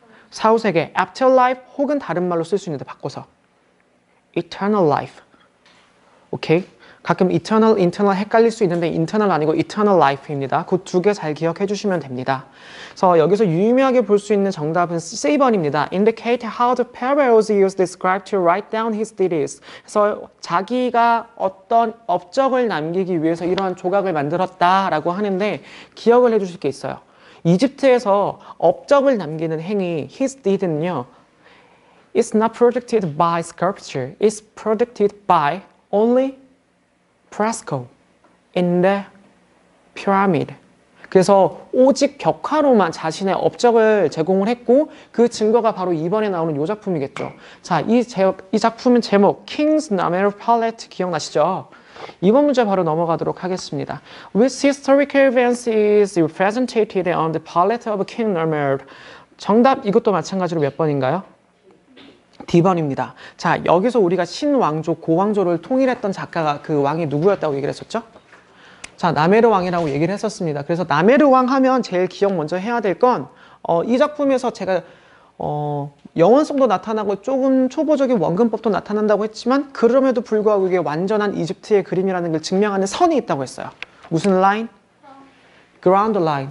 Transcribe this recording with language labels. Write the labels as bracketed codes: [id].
[ko] 사후 세계, afterlife 혹은 다른 말로 쓸수 있는데 바꿔서 eternal life. 오케이? 가끔 eternal, internal 헷갈릴 수 있는데 internal 아니고 eternal life입니다. 그두개잘 기억해 주시면 됩니다. 그래서 여기서 유의미하게 볼수 있는 정답은 C번입니다. [en] Indicate how the parables he used described to write down his theories. [ko] 그래서 자기가 어떤 업적을 남기기 위해서 이러한 조각을 만들었다라고 하는데, 기억을 해 주실 게 있어요. 이집트에서 업적을 남기는 행위, [en] his deed는요, It's not protected by sculpture. It's protected by only fresco in the pyramid. [ko] 그래서 오직 벽화로만 자신의 업적을 제공을 했고 그 증거가 바로 이번에 나오는 이 작품이겠죠. 자, 이 작품의 제목 King's Namer Palette 기억나시죠? 이번 문제 바로 넘어가도록 하겠습니다. [en] Which historical events is represented on the palette of King Namer? [ko] 정답 이것도 마찬가지로 몇 번인가요? D번입니다. 자, 여기서 우리가 신왕조, 고왕조를 통일했던 작가가 그 왕이 누구였다고 얘기를 했었죠? 자, 나메르 왕이라고 얘기를 했었습니다. 그래서 나메르 왕 하면 제일 기억 먼저 해야 될 건 이 작품에서 제가 영원성도 나타나고 조금 초보적인 원근법도 나타난다고 했지만 그럼에도 불구하고 이게 완전한 이집트의 그림이라는 걸 증명하는 선이 있다고 했어요. 무슨 라인? 그라운드 라인.